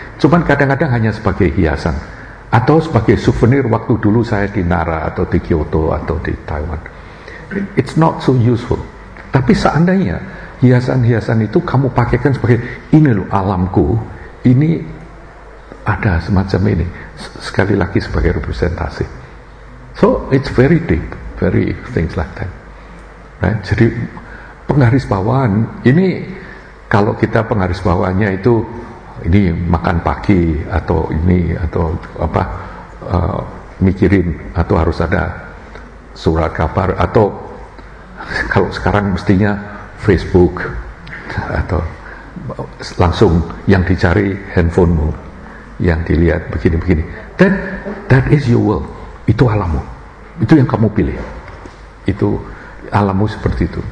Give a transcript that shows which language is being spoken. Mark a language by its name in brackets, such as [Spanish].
[Indonesian] Cuman kadang-kadang hanya sebagai hiasan atau sebagai souvenir waktu dulu saya di Nara atau di Kyoto atau di Taiwan. [English] It's not so useful. [Indonesian] Tapi seandainya hiasan-hiasan itu kamu pakaikan sebagai ini loh alamku, ini ada semacam ini, sekali lagi sebagai representasi. [English] So it's very deep, very things like that. Right? [Indonesian] Jadi penggarisbawahan ini, kalau kita penggaris bawahnya itu ini makan pagi atau ini atau apa, mikirin atau harus ada surat kabar, atau kalau sekarang mestinya Facebook atau langsung yang dicari handphonemu yang dilihat begini-begini, [English] then that is your world, [Indonesian] itu alammu, itu yang kamu pilih, itu alammu seperti itu.